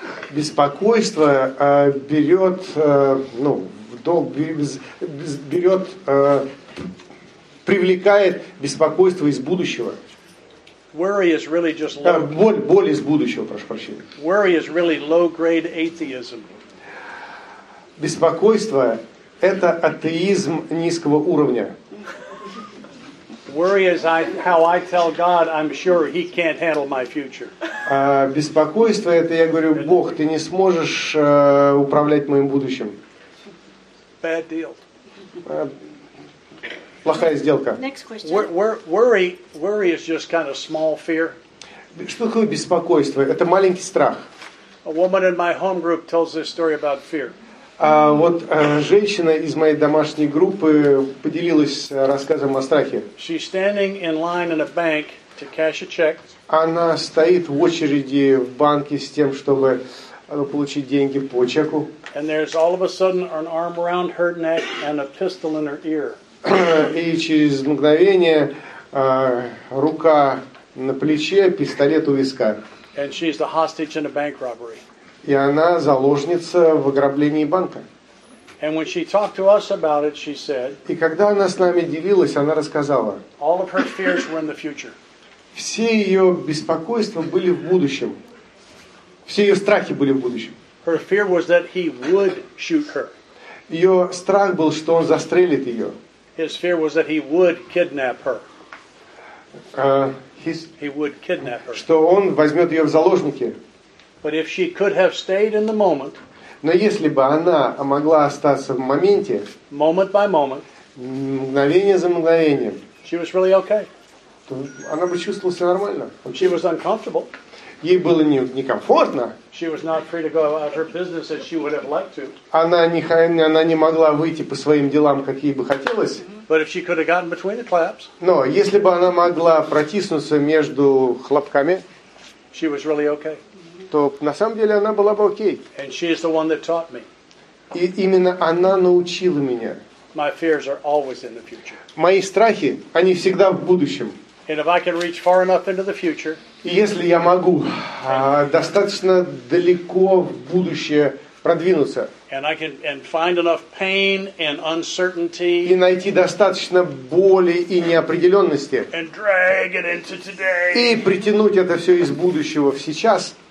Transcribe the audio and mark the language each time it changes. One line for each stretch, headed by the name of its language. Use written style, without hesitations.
Russian: Беспокойство берет, ну, в долг берет, привлекает беспокойство из будущего.
English: Worry is really just low.
Russian: Боль из будущего, прошу прощения.
English: Worry is really low-grade atheism.
Russian: Беспокойство – это атеизм низкого уровня.
English: Worry is how I tell God I'm sure He can't handle my future.
Russian: Беспокойство – это я говорю: Бог, ты не сможешь управлять моим будущим.
English: Bad deal.
Russian: Плохая сделка.
English: Next question. Worry is just kind of small fear.
Russian: Что такое беспокойство? Это маленький страх.
English: A woman in my home group tells this story about fear.
Russian: Вот женщина из моей домашней группы поделилась рассказом о страхе.
English: She's standing in line in a bank to cash a check.
Russian: Она стоит в очереди в банке с тем, чтобы получить деньги по чеку.
English: And there's all of a sudden an arm around her neck and a pistol in her ear.
Russian: И через мгновение рука на плече, пистолет у виска.
English: And she's the hostage in a bank robbery.
Russian: И она заложница в ограблении банка.
English: And when she talked to us about it, she said,
Russian: и когда она с нами делилась, она рассказала,
English: all of her fears were in the future.
Russian: Все ее беспокойства были в будущем. Все ее страхи были в будущем.
English: Her fear was that he would shoot her.
Russian: Ее страх был, что он застрелит ее.
English: His fear was that he would kidnap her. He would kidnap her.
Russian: Что он возьмет ее в заложники.
English: But if she could have stayed in the moment,
Russian: но если бы она могла остаться в моменте,
English: moment by moment,
Russian: мгновение за мгновением,
English: she was really okay.
Russian: То она бы чувствовала себя нормально.
English: She was uncomfortable.
Russian: Ей было некомфортно.
English: She was not free to go about her business as she would have liked to.
Russian: Она не могла выйти по своим делам, как ей бы хотелось.
English: But if she could have gotten between the claps,
Russian: но если бы она могла протиснуться между хлопками,
English: she was really okay.
Russian: То на самом деле она была бы окей.
English: And she is the one that taught me.
Russian: И именно она научила меня.
English: My fears are always in the future.
Russian: Мои страхи, они всегда в будущем.
English: And if I can reach far enough into the future,
Russian: и если я могу достаточно далеко в будущее продвинуться,
English: and find enough pain and uncertainty,
Russian: и найти достаточно боли и неопределенности,
English: and drag it into today,
Russian: и притянуть это все из будущего в сейчас,